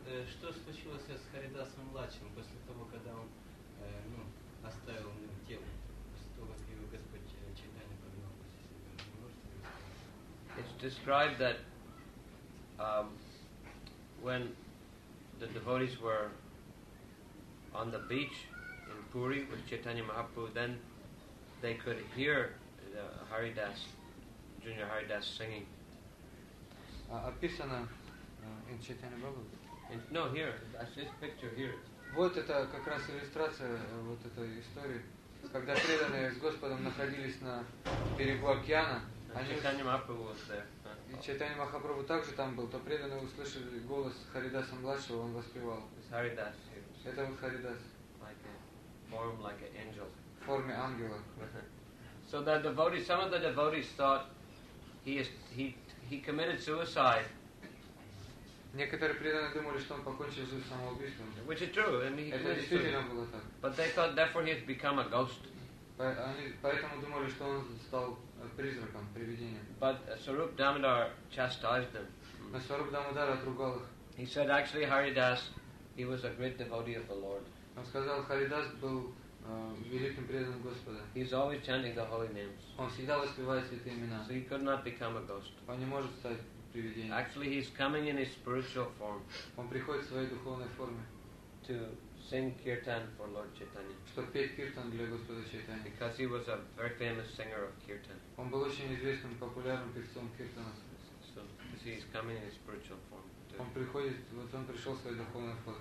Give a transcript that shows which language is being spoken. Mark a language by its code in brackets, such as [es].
[ru] Что случилось с Харидасом младшим после того, когда он оставил тело, после того, как его Господь Чайтанья поднял после себя? [en] It's described that when the devotees were on the beach in Puri with Chaitanya Mahaprabhu, then they could hear the Haridas, Junior Haridas singing. [ru] описано [en] in Chaitanya Prabhupada. No, here, this picture here. [ru] Вот это как раз иллюстрация вот этой истории. Когда преданные с Господом находились на берегу океана, и Чайтанья Махапрабху также там был, то преданные услышали голос Харидаса младшего, он воспевал. Это вот Харидас. В форме ангела. [en] So the devotees, some of the devotees thought he committed suicide. [ru] Некоторые преданные думали, что он покончил жизнь самоубийством. [en] Which is true. And he [ru] это действительно было так. [en] But they thought therefore he has become a ghost. [ru] Они поэтому думали, что он стал призраком, привидением. [en] But Swarup Damodar chastised them. [ru] Но Swarup Damodar отругал их. [en] He said actually Haridas, he was a great devotee of the Lord. [ru] Он сказал, Харидас был великим преданным Господа. [en] He's always chanting the holy names. [ru] Он всегда воспевает святые имена. [en] So he could not become a ghost. [ru] Он не может стать. [en] Actually, he's coming in his spiritual form. [ru] Он приходит в своей духовной форме. [en] To sing kirtan for Lord Chaitanya. [ru] Чтобы петь киртан для Господа Чайтани. [en] Because he was a very famous singer of kirtan. [ru] Он был очень известным популярным певцом киртана. [en] So he's coming in his spiritual form. [ru] Он приходит, вот он пришел в своей духовной форме.